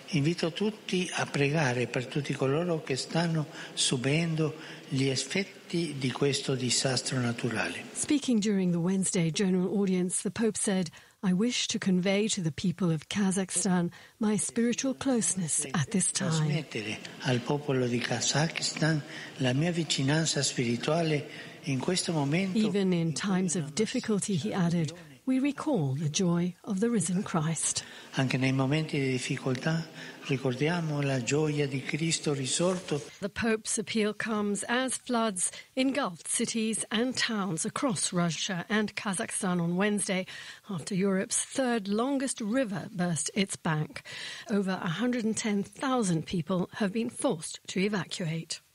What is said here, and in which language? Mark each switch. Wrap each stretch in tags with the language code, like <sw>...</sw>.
<it>Invito tutti a pregare per tutti coloro che stanno subendo gli effetti di questo disastro naturale.</it> <en>Speaking during the Wednesday general audience, the Pope said, I wish to convey to the people of Kazakhstan my spiritual closeness at this time.</en> <it>Trasmettere al popolo di Kazakistan la mia vicinanza spirituale in questo momento.</it> <en>Even in times of difficulty, he added, we recall the joy of the risen Christ.</en> <it>Anche nei momenti di difficoltà ricordiamo la gioia di Cristo risorto.</it> <en>The Pope's appeal comes as floods engulfed cities and towns across Russia and Kazakhstan on Wednesday after Europe's third longest river burst its bank. Over 110,000 people have been forced to evacuate.</en>